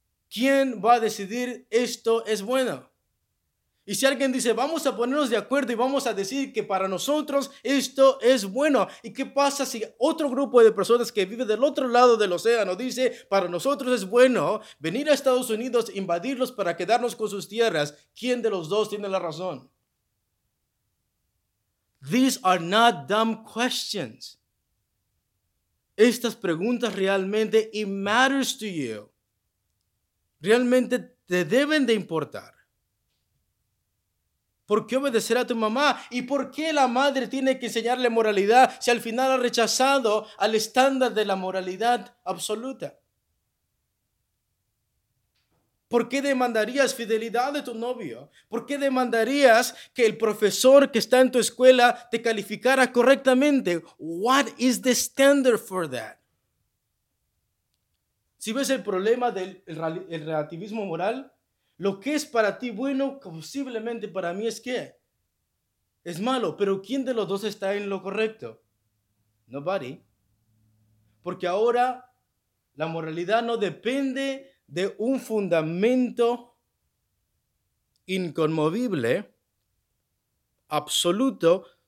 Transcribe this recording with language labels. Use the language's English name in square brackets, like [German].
[Spanish] ¿Quién va a decidir esto es bueno? Y si alguien dice, vamos a ponernos de acuerdo y vamos a decir que para nosotros esto es bueno. ¿Y qué pasa si otro grupo de personas que vive del otro lado del océano dice, para nosotros es bueno venir a Estados Unidos, invadirlos para quedarnos con sus tierras? ¿Quién de los dos tiene la razón? [English] These are not dumb questions. [Spanish] Estas preguntas realmente, [English] it matters to you. [Spanish] Realmente te deben de importar. ¿Por qué obedecer a tu mamá? ¿Y por qué la madre tiene que enseñarle moralidad si al final ha rechazado al estándar de la moralidad absoluta? ¿Por qué demandarías fidelidad de tu novio? ¿Por qué demandarías que el profesor que está en tu escuela te calificara correctamente? [English] What is the standard for that? [Spanish] Si ves el problema del el relativismo moral, lo que es para ti bueno, posiblemente para mí es ¿qué? Es malo, pero ¿quién de los dos está en lo correcto? [English] Nobody. [Spanish] Porque ahora la moralidad no depende de un fundamento inconmovible, absoluto.